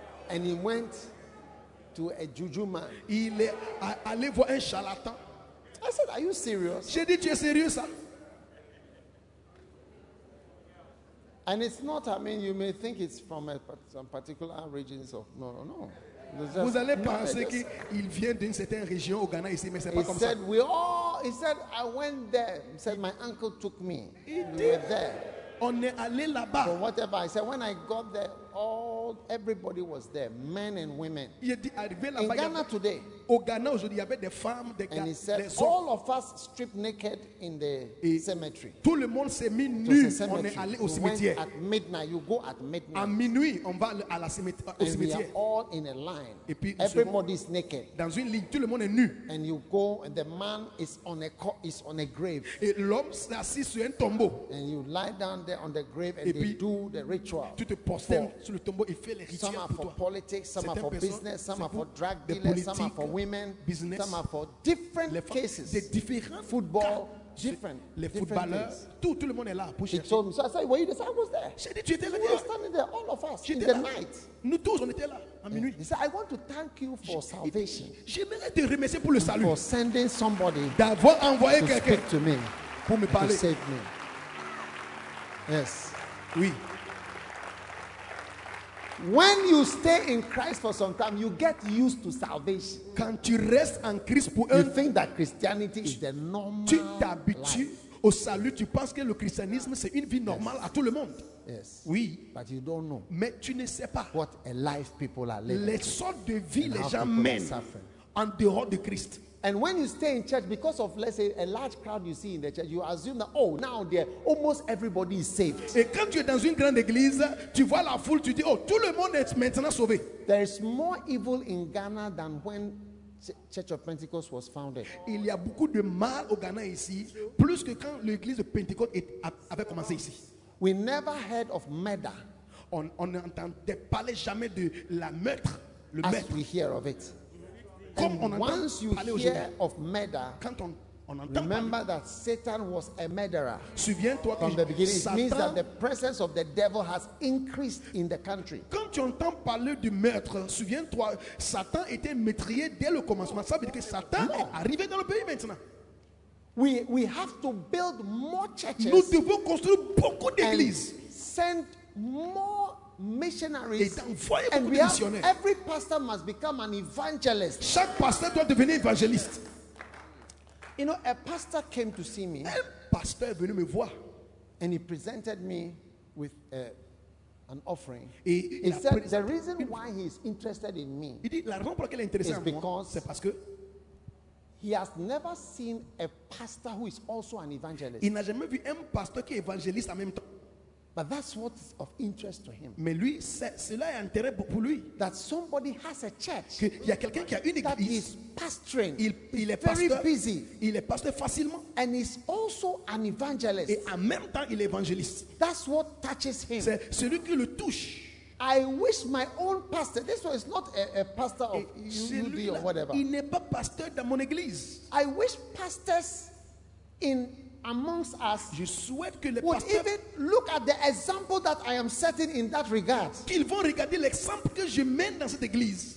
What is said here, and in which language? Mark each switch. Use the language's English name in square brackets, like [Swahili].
[English] And he went to a juju man. [French] Il est allé voir un charlatan. [English] I said, are you serious? [French] J'ai dit, tu es sérieux ça? [English] And it's not, I mean, you may think it's from some particular regions of, no, no, no. [French] Vous allez penser qu'il vient d'une certaine région au Ghana ici, mais c'est pas comme ça. [English] He said we all. He said I went there. He said my uncle took me. We were there. [French] On est allé là-bas. [English] But whatever. I said when I got there, everybody was there, men and women. In Ghana today. [French] Au Ghana aujourd'hui, il y avait des femmes, des [English] gars. And he said all of us stripped naked in the cemetery. [French] Tout le monde s'est mis nu. On est allé au cimetière. [English] We went at midnight. You go at midnight. [French] À minuit, on va à la cimetière. [English] And we are all in a line. [French] Et puis, [English] everybody's naked. [French] Dans une ligne, tout le monde est nu. [English] And you go, and the man is on a grave. [French] Et l'homme s'est assis sur un tombeau. [English] And you lie down there on the grave, and [French] et puis, [English] they do the ritual. [French] Tu te postes sur le tombeau et fais les rituels. [English] Some are for [French] toi. [English] Politics, some are for business, some are for drug dealers, some are for women, business, some are for different [French] les [English] cases. [French] Des différents [English] football, [French] cas, [English] different. [French] Les footballeurs, tout le monde est là pour chercher. [English] Told me, so I said, were you there? I was there. [French] J'ai dit, tu étais là. [English] We were standing there, all of us, [French] j'étais [English] in [French] là. [English] The night. [French] Nous tous, on était là, à minuit. [English] He said, I want to thank you for salvation. [French] J'aimerais te remercier pour le salut. [English] For sending somebody [French] d'avoir envoyé [English] to [French] quelqu'un [English] speak to me, [French] pour me parler. [English] To save me. Yes. [French] Oui. [English] When you stay in Christ for some time, you get used to salvation. [French] Quand tu restes en Christ pour [English] you think that Christianity is the normal [French] tu t'habitues [English] life. [French] au salut, tu penses que le christianisme c'est une vie normale à tout le monde. [English] Yes. [French] Oui. [English] But you don't know. [French] Mais tu ne sais pas. [English] What a life people are living. [French] Les sortes de vie les gens mènent en dehors de Christ. [English] And when you stay in church because of, let's say, a large crowd you see in the church, you assume that, oh, now there, almost everybody is saved. [French] Et quand tu es dans une grande église, tu vois la foule, tu dis, oh, tout le monde est maintenant sauvé. [English] There is more evil in Ghana than when Church of Pentecost was founded. [French] Il y a beaucoup de mal au Ghana ici, plus que quand l'église de Pentecôte avait commencé ici. [English] We never heard of murder. [French] On n'entendait parler jamais de la meurtre, le [English] as [French] meurtre. [English] We hear of it. [French] Comme on [English] once you hear of murder, [French] quand on [English] remember [French] parler. [English] That Satan was a murderer. [French] Souviens-toi [English] from the beginning, [French] Satan, [English] it means that the presence of the devil has increased in the country. [French] Quand tu entends parler du meurtre, souviens-toi, Satan était maîtrisé dès le commencement. Ça veut dire que Satan est arrivé dans le pays maintenant. [English] We have to build more churches. [French] Nous devons construire beaucoup d'églises. [English] Send more missionaries. [French] Et d'envoyer beaucoup de missionnaires. [English] Every pastor must become an evangelist. [French] Chaque pasteur doit devenir évangéliste. [English] You know, a pastor came to see me. [French] Un pasteur est venu me voir. [English] And he presented me with an offering. [French] Et [English] he said the reason why he is interested in me. [French] Il dit la raison pour laquelle il est intéressé en moi, c'est parce que [English] he has never seen a pastor who is also an evangelist. [French] Il n'a jamais vu un pasteur qui est évangéliste en même temps. [English] But that's what is of interest to him. [French] Mais lui, cela est intérêt pour lui. [English] That somebody has a church. [French] Que y a quelqu'un qui a une église. [English] That he is pastoring. [French] Il est [English] very [French] pasteur. [English] Busy. [French] Il est pasteur facilement. [English] And he's also an evangelist. [French] Et en même temps, il est évangéliste. [English] That's what touches him. [French] C'est celui qui le touche. [English] I wish my own pastor. This one is not a pastor of UD or whatever. [French] Il n'est pas pasteur dans mon église. [English] I wish pastors in amongst us [French] je souhaite que les [English] would even look at the example that I am setting in that regard. [French] Qu'ils vont regarder l'exemple que je mène dans cette église.